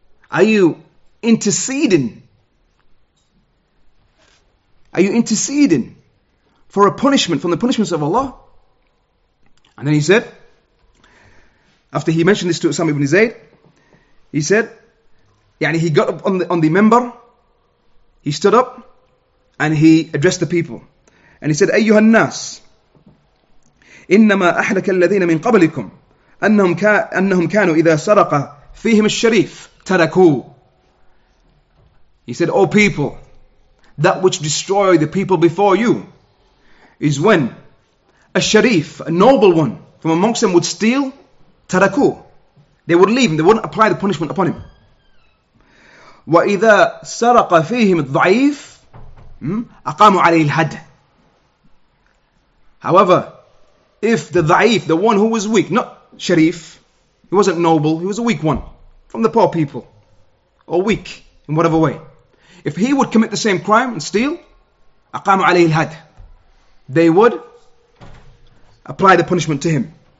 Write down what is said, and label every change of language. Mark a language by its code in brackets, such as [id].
[en] Are you interceding for a punishment from the punishments of Allah? And then he said, after he mentioned this to Usama ibn Zayd, he said, yani he got up on the member, he stood up and he addressed the people. And he said, [ar] "أيها الناس إنما أحلك الذين من قبلكم أنهم كانوا إذا سرق فيهم الشريف تركوا." [en] He said, "O people, that which destroyed the people before you is when a sharif, a noble one from amongst them would steal, [ar] تركوا. [en] They would leave him, they wouldn't apply the punishment upon him. [ar] وإذا سرق فيهم الضعيف أقاموا عليه الحد." [en] However, if the da'if, the one who was weak, not sharif, he wasn't noble, he was a weak one, from the poor people, or weak, in whatever way. If he would commit the same crime and steal, [ar] aqamu alayhi al-had, [en] they would apply the punishment to him.